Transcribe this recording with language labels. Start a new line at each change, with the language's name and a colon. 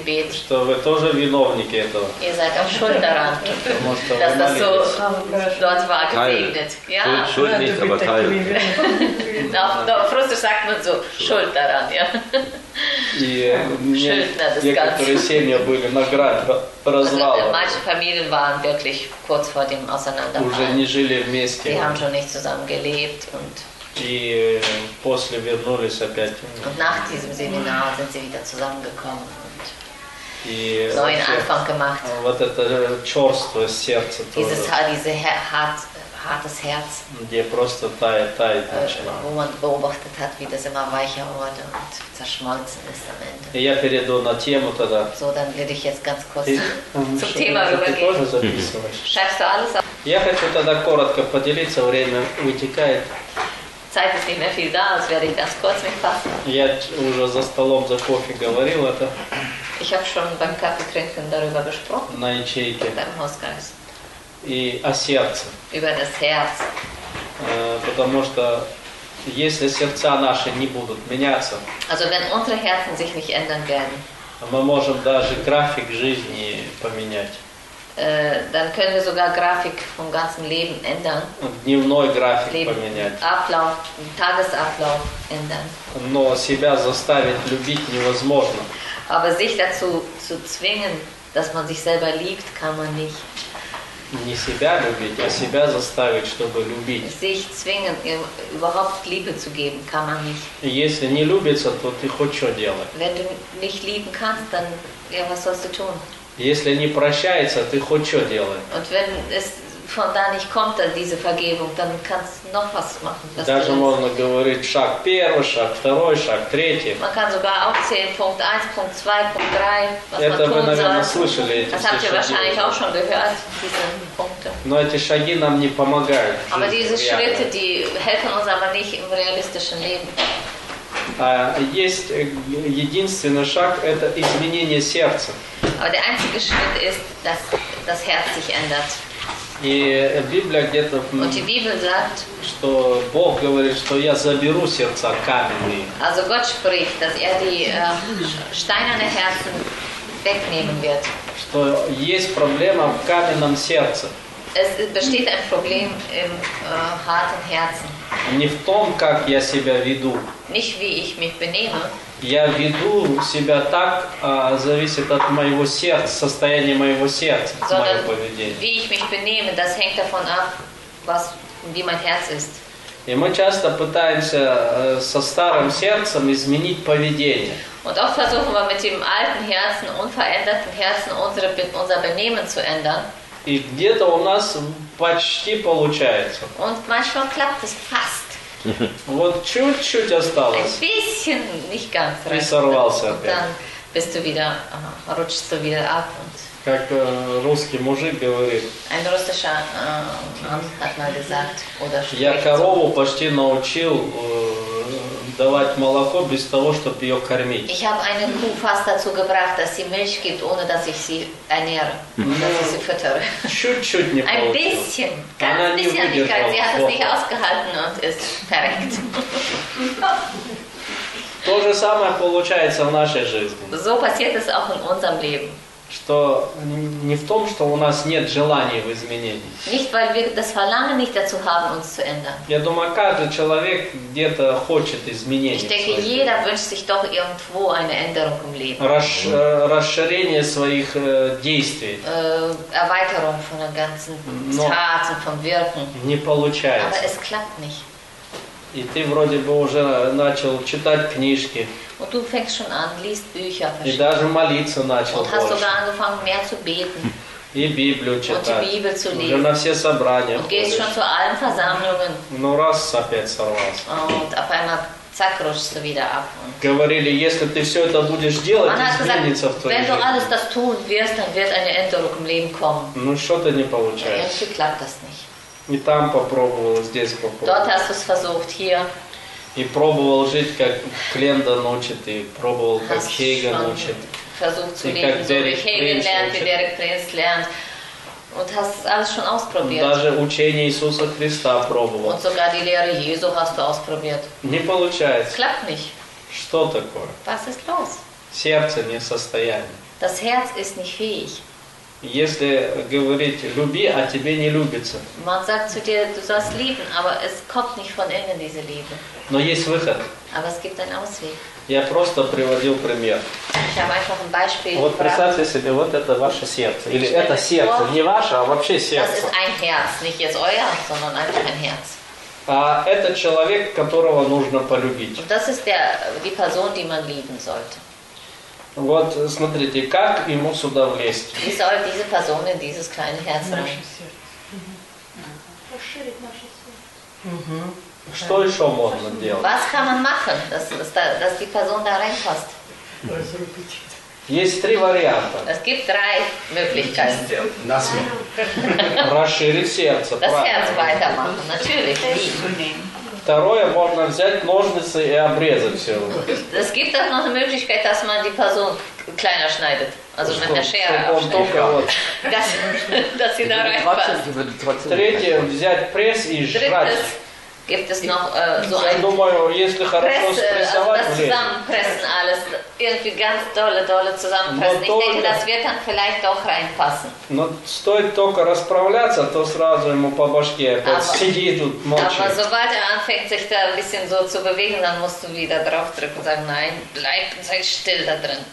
Russian: Что вы тоже виновники этого.
German: Ihr seid auch schuld daran, dass das so dort war gesegnet. Ja. Schuld nicht, aber teil. Auf Russisch sagt man so, schuld daran, ja.
Russian: И некоторые семьи были на грани развала.
German: Manche Familien waren wirklich kurz vor dem Auseinanderfall.
Russian: Уже не жили вместе.
German: Die haben schon nicht zusammen gelebt und.
Russian: И после вернулись опять.
German: Und nach diesem Seminar sind sie wieder zusammengekommen und neuen Anfang gemacht.
Russian: Вот это чёрствое сердце тоже.
German: Dieses hartes Herz.
Russian: Где просто тает.
German: Wo man beobachtet hat, wie das immer weicher wurde und zerschmolzen ist am Ende.
Russian: Я перейду на тему тогда.
German: So, dann werde ich jetzt ganz kurz zum Thema übergehen. Schreibst du alles auf?
Russian: Я хочу тогда коротко поделиться. Время вытекает.
German: Zeit ist nicht mehr viel da, also werde ich das kurz mit fassen.
Russian: Я уже за столом за кофе говорил это.
German: Ich habe schon beim Kaffeetrinken darüber gesprochen.
Russian: На ячейке.
German: Beim Hausgeist.
Russian: И о сердце.
German: Über das Herz.
Russian: Потому что если сердца наши не будут меняться,
German: also wenn unsere Herzen sich nicht ändern werden,
Russian: мы можем даже график жизни поменять.
German: Dann können wir sogar график vom ganzen Leben ändern.
Russian: Дневной график поменять.
German: Ablauf, Tagesablauf ändern.
Russian: Но себя заставить любить невозможно.
German: Aber sich dazu zu zwingen, dass man sich selber liebt, kann man nicht.
Russian: Не себя любить, а себя заставить, чтобы любить.
German: Sich zwingen, überhaupt Liebe zu geben, kann man nicht.
Russian: Если не любится, то ты хоть что делай.
German: Wenn du nicht lieben kannst, dann ja, was sollst du tun?
Russian: Если не прощается, ты хоть что делай.
German: Und wenn es von da nicht kommt, dann diese Vergebung, dann kannst du noch was machen. Was
Russian: даже можно говорить шаг первый, шаг второй, шаг третий.
German: Man kann sogar aufzählen, Punkt 1, Punkt 2, Punkt 3, was
Russian: это
German: man tun
Russian: вы, наверное,
German: soll.
Russian: Слышали,
German: das habt ihr wahrscheinlich auch schon gehört, diese Punkte.
Russian: Но эти шаги нам не помогают.
German: Aber diese Schritte, die helfen uns aber nicht im realistischen Leben.
Russian: Есть единственный шаг, это изменение сердца.
German: Aber der einzige Schritt ist, dass das Herz sich ändert.
Russian: И Библия где-то,
German: und die Bibel sagt,
Russian: что Бог говорит, что я заберу сердца каменные.
German: Also Gott spricht, dass er die steinerne Herzen wegnehmen wird.
Russian: Что есть проблема в каменном сердце.
German: Es besteht ein Problem im harten Herzen.
Russian: Не в том, как я себя веду.
German: Nicht wie ich mich benehme.
Russian: Я веду себя так, зависит от моего сердца, состояния моего сердца, мое поведение.
German: Wie ich mich benehme, das hängt davon ab, was, wie mein Herz ist.
Russian: И мы часто пытаемся со старым сердцем изменить поведение.
German: Und oft versuchen wir mit dem alten Herzen, unveränderten Herzen, unser Benehmen zu ändern.
Russian: И где-то у нас почти получается.
German: Und manchmal klappt es fast.
Russian: Вот чуть-чуть осталось.
German: Ein bisschen, nicht ganz.
Russian: И сорвался опять.
German: Dann bist du wieder, rutschst du wieder ab. Und
Russian: как русский мужик говорит.
German: Ein russischer Mann hat mal gesagt. Oder
Russian: я корову
German: so.
Russian: Почти научил давать молоко без того, чтобы ее кормить.
German: Ich habe eine Kuh fast dazu gebracht, dass sie Milch gibt, ohne dass ich sie ernähre. Dass ich sie füttere.
Russian: Чуть-чуть не получилось.
German: Ein bisschen. Ganz ein bisschen. Sie hat es nicht ausgehalten und ist verreckt.
Russian: То же самое получается в нашей жизни.
German: So passiert es auch in unserem Leben.
Russian: что не в том, что у нас нет желания в изменении.
German: Nicht, weil wir das Verlangen nicht dazu haben, uns zu ändern.
Russian: Я думаю, каждый человек где-то хочет изменения.
German: Ich denke, jeder wünscht sich doch irgendwo eine Änderung im Leben.
Russian: Расширение своих действий.
German: Erweiterung von den ganzen Taten, von Wirken.
Russian: Не получается.
German: Aber es klappt nicht.
Russian: И ты вроде бы уже начал читать книжки.
German: Und du fängst schon an, liest Bücher, verstehst.
Russian: И даже молиться начал.
German: Und hast sogar angefangen, mehr zu beten.
Russian: И Библию читать.
German: Und die Bibel zu lesen.
Russian: Уже на все собрания.
German: Und gehst schon zu allen Versammlungen.
Russian: Ну раз опять сорвался.
German: Und auf einmal zack, rutschst du wieder ab.
Russian: Говорили, если ты все это будешь делать, изменится в твоей жизни.
German: Wenn du alles das tun wirst, dann wird eine Änderung im Leben kommen.
Russian: Ну что-то не получается.
German: Irgendwie klappt das nicht.
Russian: И там попробовал, здесь попробовал.
German: Dort hast du es versucht, hier.
Russian: И пробовал жить, как Клендон учит, и пробовал, как Хейген учит.
German: Versucht zu leben, so wie Хейген lernt, wie Дерек Принц lernt. Und hast alles schon ausprobiert.
Russian: Даже учение Иисуса Христа пробовал.
German: Und sogar die Lehre Jesu hast du ausprobiert.
Russian: Не получается.
German: Klappt nicht.
Russian: Что такое?
German: Was ist los?
Russian: Сердце не в состоянии.
German: Das Herz ist nicht fähig.
Russian: Если говорить «люби», а тебе не любится.
German: Man sagt zu dir, du sollst lieben, aber es kommt nicht von innen, diese Liebe.
Russian: Но есть выход.
German: Aber es gibt einen Ausweg.
Russian: Я просто приводил пример.
German: Ich habe einfach ein Beispiel.
Russian: Вот представьте себе, вот это ваше сердце. Или это сердце, не ваше, а вообще сердце.
German: Das ist ein Herz, nicht jetzt euer, sondern einfach ein Herz.
Russian: А это человек, которого нужно полюбить.
German: Und das ist der, die Person, die man lieben sollte.
Russian: Вот, смотрите, как ему сюда влезть?
German: Wie soll diese Person in dieses kleine Herz rein?
Russian: Расширить наше сердце. Что еще можно делать?
German: Was kann man machen, dass die Person da reinpasst?
Russian: Есть три варианта.
German: Es gibt drei Möglichkeiten.
Russian: Расширить сердце.
German: Das Herz weitermachen, natürlich.
Russian: Второе, можно взять ножницы и обрезать все.
German: Es gibt auch noch eine Möglichkeit, dass man die Person kleiner schneidet. Also mit der Schere abschneidet. Dass sie da reinpasst. Третье, взять пресс и жрать. Drittes, gibt es noch so ein...
Russian: Я думаю, если хорошо спрессовать...
German: Also das Zusammenpressen alles. Irgendwie ganz dolle zusammenpressen. Ich denke, das wird dann vielleicht doch reinpassen.
Russian: Но стоит только расправляться, то сразу ему по башке сидит тут молчит.
German: Aber sobald anfängt, sich da ein bisschen so zu bewegen, dann musst du wieder draufdrücken und sagen, nein, bleib, sei still da drin.